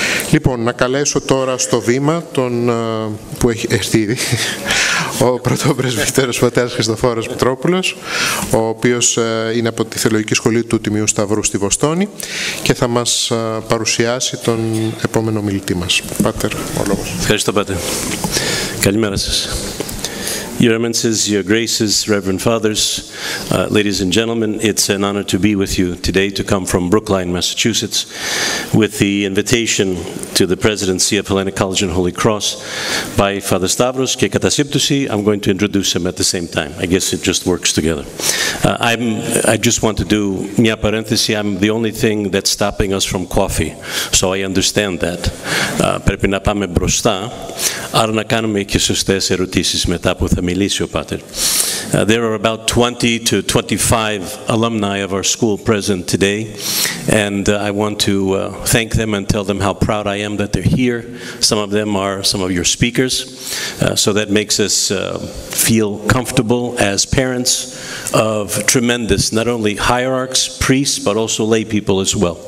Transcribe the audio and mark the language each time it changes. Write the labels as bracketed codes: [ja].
[el] Λοιπόν, να καλέσω τώρα στο βήμα τον που έχει έρθει ήδη, ο πρωτοπρεσβύτερος πατέρας Χριστοφόρος Μητρόπουλος, ο οποίος είναι από τη Θεολογική Σχολή του Τιμίου Σταυρού στη Βοστόνη και θα μας παρουσιάσει τον επόμενο μιλητή μας. Πάτερ, ο λόγος. Ευχαριστώ, Πάτερ. Καλημέρα σας. [en] Your Eminences, Your Graces, Reverend Fathers, ladies and gentlemen, it's an honor to be with you today to come from Brookline, Massachusetts, with the invitation to the presidency of Hellenic College and Holy Cross by Father Stavros, [el] και κατά σύμπτωση, [en] I'm going to introduce him at the same time. I guess it just works together. I just want to do [el] μια παρένθεση. [en] I'm the only thing that's stopping us from coffee, so I understand that. [el] Πρέπει να πάμε μπροστά, άρα να κάνουμε και σωστές ερωτήσεις μετά που θα μιλήσει ο Πάτερ. [en] There are about 20 to 25 alumni of our school present today, and I want to thank them and tell them how proud I am that they're here. Some of them are some of your speakers, so that makes us feel comfortable as parents of tremendous, not only hierarchs, priests, but also lay people as well.